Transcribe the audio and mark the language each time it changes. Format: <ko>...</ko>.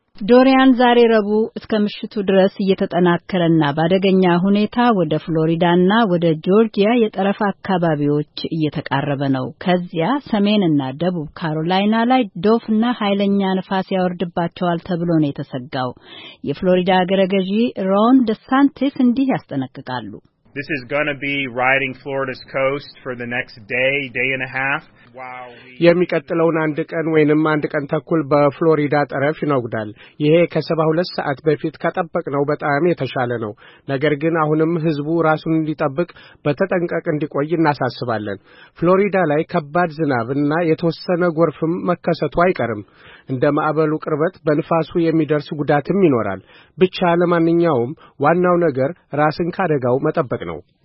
<am>ዶሪያን ዛሬ ረቡዕ እስከ ምሽቱ ድረስ እየተጠናከረና ባደገኛ ሁኔታ ወደ ፍሎሪዳና ወደ ጆርጂያ የጠረፍ አካባቢዎች እየተቃረበ ነው። ከዚያ ሰሜንና ደቡብ ካሮላይና ላይ ዶፍና ኃይለኛ ንፋስ ያወርድባቸዋል ተብሎ ነው የተሰጋው። የፍሎሪዳ አገረ ገዢ ሮን ደሳንቲስ እንዲህ ያስጠነቅቃሉ።</am> <en>This is going to be riding Florida's coast for the next day and a half.</en> <am>የሚቀጥለውን አንድ ቀን ወይንም አንድ ቀን ተኩል በፍሎሪዳ ጠረፍ ይነጉዳል። ይሄ ከ72 ሰዓት በፊት ከተጠበቀው በጣም የተሻለ ነው። ነገር ግን አሁንም ህዝቡ ራሱን እንዲጠብቅ በተጠንቀቅ እንዲቆይ እናሳስባለን። ፍሎሪዳ ላይ ከባድ ዝናብ እና የተወሰነ ጎርፍም መከሰቱ አይቀርም። እንደ ማዕበሉ ቅርበት በንፋሱ የሚደርስ ጉዳትም ይኖራል። ብቻ ለማንኛውም ዋናው ነገር ራስን ካደጋው መጠበቅ ነው።</am>